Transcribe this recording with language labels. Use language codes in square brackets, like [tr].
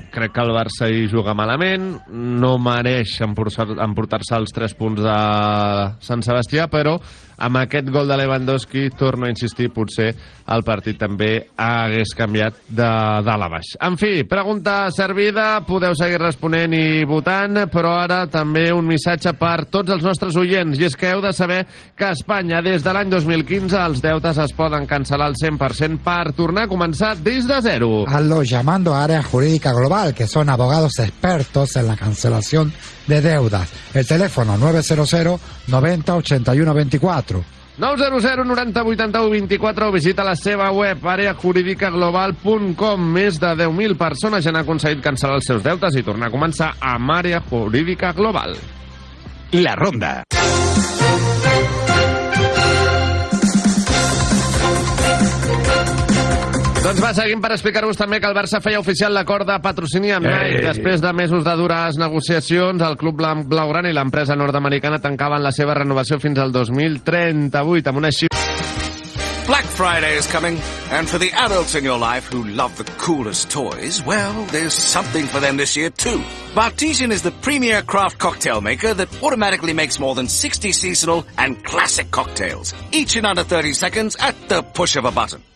[ca] Crec que el Barça hi juga malament. No mereix emportar-se els 3 punts de Sant Sebastià, però amb aquest gol de Lewandowski, torno a insistir, potser el partit també hagués canviat de dalt a baix. En fi, pregunta servida, podeu seguir responent i votant, però ara també un missatge per tots els nostres oients, i és que heu de saber que a Espanya, des de l'any 2015, els deutes es poden cancel·lar al 100% per tornar a començar des de zero. [es] Hazlo llamando a Área Jurídica Global, que son abogados expertos en la cancelación de deudas. El teléfono 900 90 81 24, [ca] 900 90 81 24, o visita la seva web areajuridicaglobal.com. Més de 10.000 persones ja han aconseguit cancel·lar els seus deutes i tornar a començar amb Área Jurídica Global. La Ronda. Doncs va, seguim per explicar-vos també que el Barça feia oficial l'acord de patrocini amb Nike. Després de mesos de dures negociacions, el club blaugrana i l'empresa nord-americana tancaven la seva renovació fins al 2038 amb una xifra. [en] Black Friday is coming, and for the adults in your life who love the coolest toys, well, there's something for them this year, too. Bartesian is the premier craft cocktail maker that automatically makes more than 60 seasonal and classic cocktails, each in under 30 seconds at the push of a button.